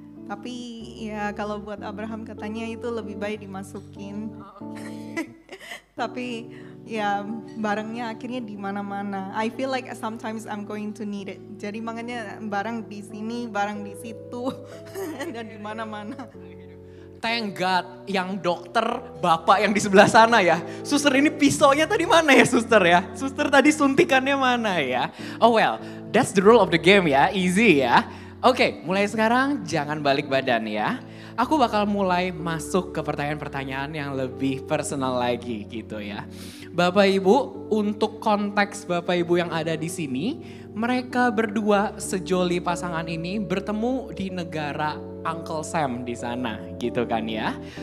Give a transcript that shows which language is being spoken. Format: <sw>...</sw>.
<id>Tapi ya kalau buat Abraham katanya itu lebih baik dimasukin. Tapi ya barangnya akhirnya di mana-mana.</id> <en>I feel like sometimes I'm going to need it.</en> <id>Jadi makanya barang di sini, barang di situ, dan di mana-mana.</id> <en>Thank God</en> <id>yang dokter bapak yang di sebelah sana ya. Suster, ini pisaunya tadi mana ya suster ya? Suster tadi suntikannya mana ya?</id> <en>Oh well, that's the rule of the game ya, easy ya.</en> <id>Oke, okay, mulai sekarang jangan balik badan ya. Aku bakal mulai masuk ke pertanyaan-pertanyaan yang lebih personal lagi gitu ya. Bapak Ibu, untuk konteks Bapak Ibu yang ada di sini, mereka berdua sejoli pasangan ini bertemu di negara Uncle Sam di sana gitu kan ya.</id>